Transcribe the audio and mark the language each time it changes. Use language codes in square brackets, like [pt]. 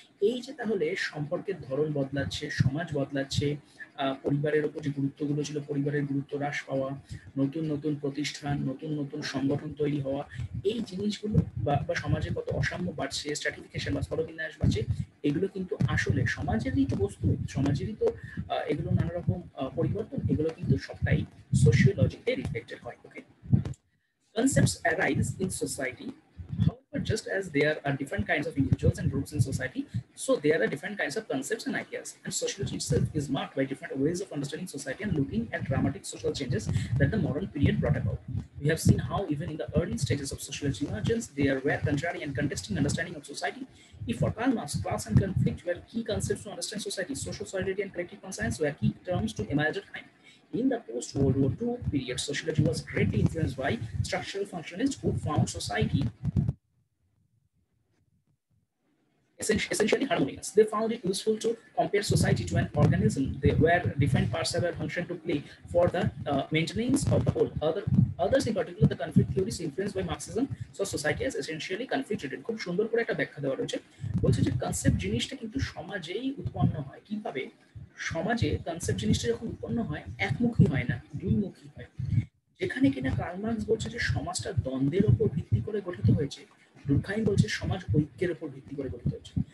[bn] এই যে তাহলে সম্পর্কের ধরন বদলাচ্ছে, সমাজ বদলাচ্ছে, পরিবারের ওপর যে গুরুত্বগুলো ছিল পরিবারের গুরুত্ব হ্রাস পাওয়া, নতুন নতুন প্রতিষ্ঠান, নতুন নতুন সংগঠন তৈরি হওয়া, এই জিনিসগুলো বা সমাজে কত অসাম্য বাড়ছে, স্ট্র্যাটিফিকেশন বা স্তরবিন্যাস বাড়ছে, এগুলো কিন্তু আসলে সমাজেরই তো বস্তু, সমাজেরই তো এগুলো নানা রকম পরিবর্তন, এগুলো কিন্তু সবটাই সোশিওলজিতে রিফ্লেক্টেড হয়। [en] Okay, concepts arise in society, but just as there are different kinds of individuals and groups in society, so there are different kinds of concepts and ideas, and sociology itself is marked by different ways of understanding society and looking at dramatic social changes that the modern period brought about. We have seen how even in the early stages of sociology emergence there were contrary and contesting understanding of society. If for Karl Marx, class and conflict were key concepts to understand society, social solidarity and collective conscience were key terms to emerge at time. In the post-World War II period, sociology was greatly influenced by structural functionalists who found society essentially harmonious. They found it useful to compare society to an organism where different parts have a function to play for the maintenance of the whole. Others in particular, the conflict theories influenced by Marxism, saw society as essentially conflict-ridden. [bn] খুব সুন্দর করে একটা ব্যাখ্যা দেওয়া রয়েছে, বলছে যে concept জিনিসটা কিন্তু সমাজেই উৎপন্ন হয়। কিভাবে সমাজে কনসেপ্ট জিনিসটা যখন উৎপন্ন হয় একমুখী হয় না, দুইমুখী হয়। যেখানে কিনা কার্ল মার্কস বলছে যে সমাজটা দ্বন্দ্বের উপর ভিত্তি করে গঠিত হয়েছে, দুর্খাইন বলছে সমাজ ঐক্যের উপর ভিত্তি করে গঠিত হচ্ছে।